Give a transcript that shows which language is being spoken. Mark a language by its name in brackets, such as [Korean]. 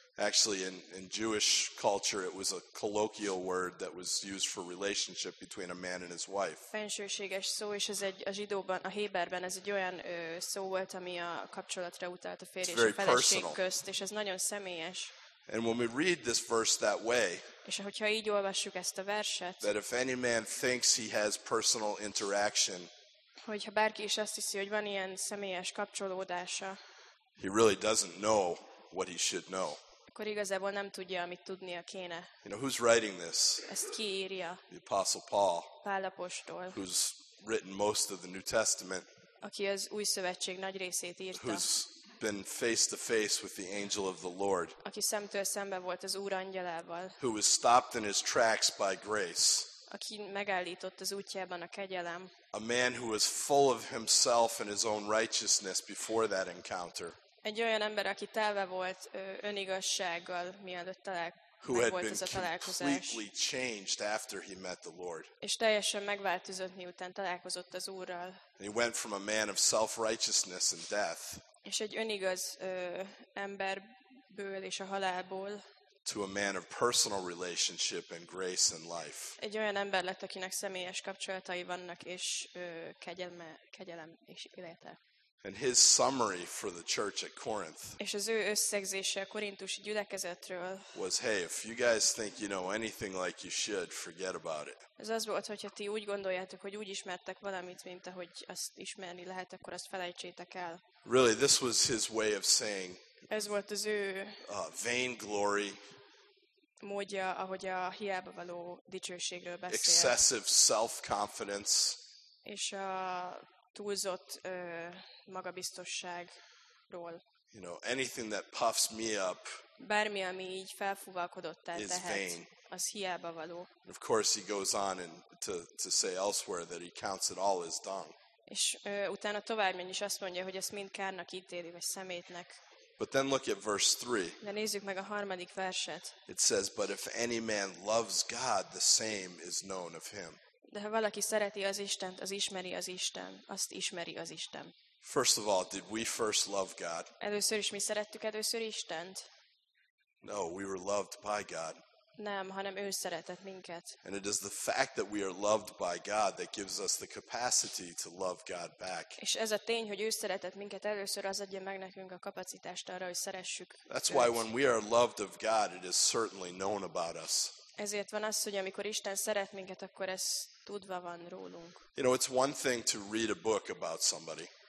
[English] Actually in Jewish culture it was a colloquial word that was used for relationship between a man and his wife. [Hungarian] Fensőséges szó, és ez egy a zsidóban, a héberben ez egy olyan szó volt, ami a kapcsolatra utalt, a férj és a feleség közt, és ez nagyon személyes. [English] And when we read this verse that way, [Hungarian] és hogyha így olvassuk ezt a verset, [English] that if any man thinks he has personal interaction, [Hungarian] hogyha bárki is azt hiszi, hogy van ilyen személyes kapcsolódása, [English] he really doesn't know what he should know. [Hungarian] Akkor igazából nem tudja, amit tudnia kéne. [English] You know, who's writing this? [Hungarian] Ezt ki írja? [English] The Apostle Paul. [Hungarian] Pál apostol. [English] Who's written most of the New Testament? [Hungarian] Aki az Új Szövetség nagy részét írta. [English] Who's been face to face with the angel of the Lord, [Hungarian] aki szemtől szembe volt az Úr angyalával, [English] who was stopped in his tracks by grace, [Hungarian] aki megállított az útjában a kegyelem, [English] a man who was full of himself and his own righteousness before that encounter, [Hungarian] egy olyan ember, aki telve volt önigazsággal, mielőtt meg volt ez a találkozás, [English] who had been completely changed after he met the Lord, [Hungarian] és teljesen megváltozott, miután találkozott az Úrral. [English] And he went from a man of self-righteousness and death, [Hungarian] és egy önigaz emberből és a halálból, [English] to a man of personal relationship and grace and life. [Hungarian] Egy olyan ember lett, akinek személyes kapcsolatai vannak, és kegyelem és élete. [English] And his summary for the church at Corinth, [Hungarian] és az ő összegzése a korintusi gyülekezetről, [English] was, hey, if you guys think you know anything like you should, forget about it. [Hungarian] Ez az volt, hogyha ti úgy gondoljátok, hogy úgy ismertek valamit, mint ahogy azt ismerni lehet, akkor azt felejtsétek el. [English] Really, this was his way of saying, [Hungarian] ez volt az ő [English] vainglory [Hungarian] módja, ahogy a hiába való dicsőségről beszél. [English] Excessive self-confidence, [Hungarian] és a túlzott magabiztosságról. [English] You know, anything that puffs me up, [Hungarian] bármi, ami így felfúvalkodott el, [English] is vain. [Hungarian] Az hiába való. [English] And of course he goes on and to say elsewhere that he counts it all as dung. [Hungarian] És utána tovább menj, azt mondja, hogy ezt mind kárnak ítéli, vagy szemétnek. [English] But then look at verse 3. [Hungarian] De nézzük meg a harmadik verset. [English] It says, but if any man loves God, the same is known of him. [Hungarian] De ha valaki szereti az Istent, az ismeri az Isten, azt ismeri az Isten. [English] First of all, did we first love God? [Hungarian] Először is mi szerettük először Istent? [English] No, we were loved by God. [Hungarian] Nem, hanem ő szeretett minket. [English] And it is the fact that we are loved by God that gives us the capacity to love God back. [Hungarian] És ez a tény, hogy ő szeretett minket először, az adja meg nekünk a kapacitást arra, hogy szeressük. [English] That's why when we are loved of God, it is certainly known about us. [Hungarian] Ezért van az, hogy amikor Isten szeret minket, akkor ez tudva van rólunk. [English] You know, it's one thing to read a book about somebody.